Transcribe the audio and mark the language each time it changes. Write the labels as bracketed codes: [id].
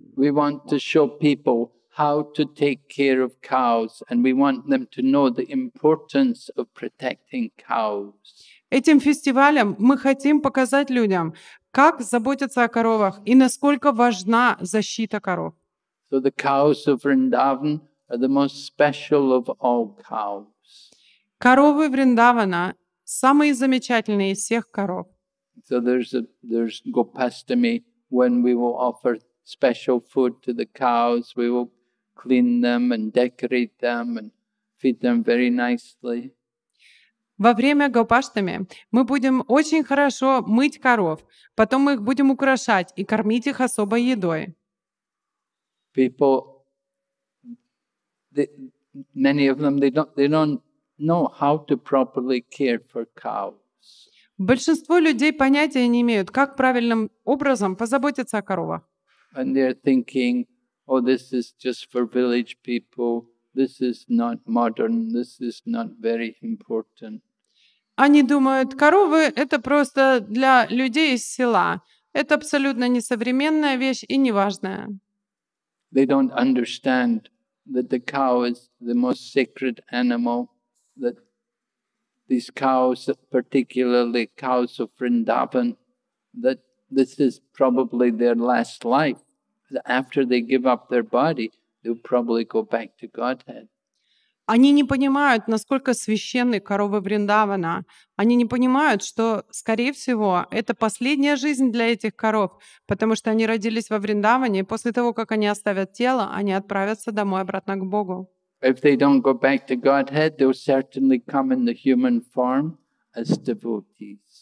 [en] We want to show people how to take care of cows, and we want them to know the importance of protecting cows. [ru] Этим фестивалем мы хотим показать людям, как заботиться о коровах и насколько важна защита коров. [en] So the cows of Vrindavan are the most special of all cows. [ru] Коровы Вриндавана самые замечательные из всех коров. [en] So there's Gopastami when we will offer special food to the cows. We will clean them and decorate them and feed them very nicely. [ru] Во время гопаштами мы будем очень хорошо мыть коров, потом мы их будем украшать и кормить их особой едой. Большинство людей понятия не имеют, как правильным образом позаботиться о коровах. [en] And they're thinking, oh, this is just for village people. This is not modern. This is not very important. [ru] Они думают, коровы — это просто для людей из села. Это абсолютно несовременная вещь и неважная. [en] They don't understand that the cow is the most sacred animal, that these cows, particularly cows of Vrindavan, that this is probably their last life. After they give up their body, they'll probably go back to Godhead. [ru] Они не понимают, насколько священны коровы Вриндавана. Они не понимают, что, скорее всего, это последняя жизнь для этих коров, потому что они родились во Вриндаване, и после того, как они оставят тело, они отправятся домой обратно к Богу. [en] If they don't go back to Godhead, they'll certainly come in the human form as devotees.